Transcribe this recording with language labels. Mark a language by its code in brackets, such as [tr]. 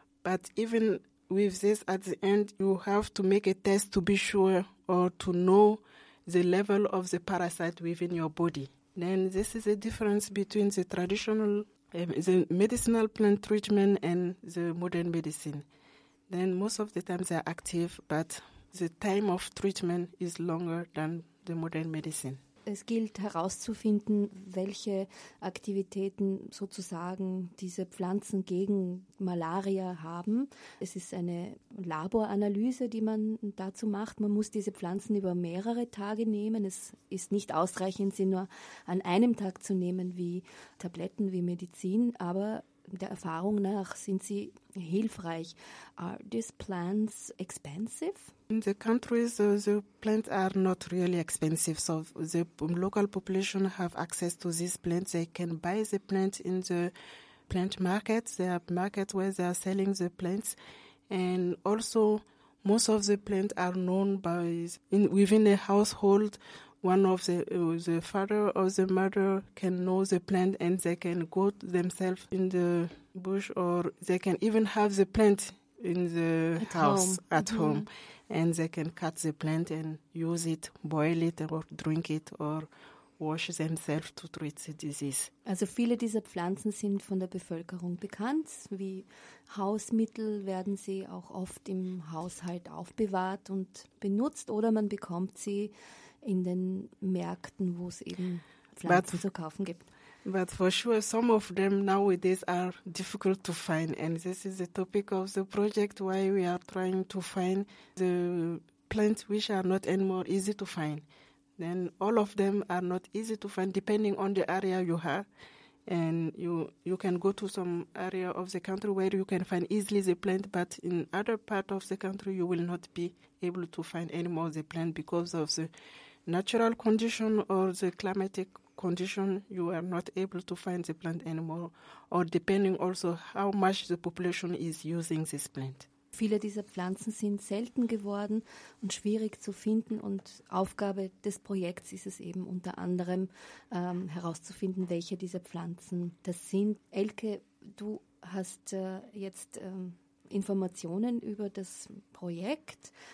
[en] But even with this, at the end, you have to make a test to be sure or to know the level of the parasite within your body. Then this is the difference between the traditional the medicinal plant treatment and the modern medicine. Then most of the times they are active, but the time of treatment is longer than the modern medicine. [de] Es gilt herauszufinden, welche Aktivitäten sozusagen diese Pflanzen gegen Malaria haben. Es ist eine Laboranalyse, die man dazu macht. Man muss diese Pflanzen über mehrere Tage nehmen. Es ist nicht ausreichend, sie nur an einem Tag zu nehmen, wie Tabletten, wie Medizin. Aber der Erfahrung nach sind sie hilfreich. [en] Are these plants expensive? In the countries, the plants are not really expensive. So the local population have access to these plants. They can buy the plants in the plant market. There are markets where they are selling the plants. And also, most of the plants are known by within a household. One of the father or the mother can know the plant, and they can go themselves in the bush, or they can even have the plant in the house at home. and they can cut the plant and use it, boil it or drink it or wash themselves to treat the disease. [de] Also viele dieser Pflanzen sind von der Bevölkerung bekannt. Wie Hausmittel werden sie auch oft im Haushalt aufbewahrt und benutzt oder man bekommt sie in den Märkten, wo es eben Pflanzen zu kaufen gibt. [en] But for sure, some of them nowadays are difficult to find. And this is the topic of the project, why we are trying to find the plants which are not anymore easy to find. Then all of them are not easy to find, depending on the area you have. And you can go to some area of the country where you can find easily the plant, but in other part of the country, you will not be able to find anymore the plant because of the natural condition or the climatic condition, you are not able to find the plant anymore, or depending also how much the population is using this plant. [de] Viele dieser Pflanzen sind selten geworden und schwierig zu finden und Aufgabe des Projekts ist es eben unter anderem herauszufinden, welche dieser Pflanzen das sind. Elke, du hast jetzt Informationen über das Projekt.